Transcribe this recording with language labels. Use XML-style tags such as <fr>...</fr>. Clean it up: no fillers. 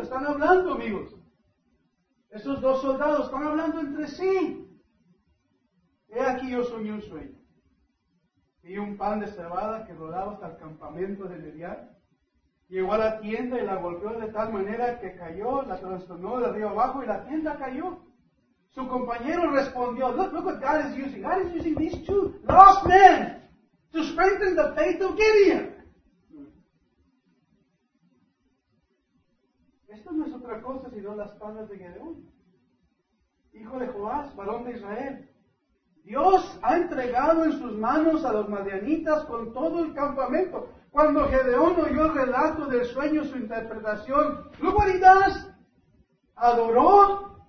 <es>Están hablando, amigos. Esos dos soldados están hablando entre sí. He aquí yo soñé un sueño. Vi un pan de cebada que rodaba hasta el campamento de Midian. Llegó a la tienda y la golpeó de tal manera que cayó, la trastornó de arriba abajo y la tienda cayó. Su compañero respondió,</es> <en>look what God is using. God is using these two lost men to strengthen the faith of Gideon.</en> <es>Esto no es otra cosa sino las palabras de Gedeón. Hijo de Joás, varón de Israel. Dios ha entregado en sus manos a los madianitas con todo el campamento. Cuando Gedeón oyó el relato del sueño, su interpretación,</es> <en>look what he does.</en> <es>Adoró.</es>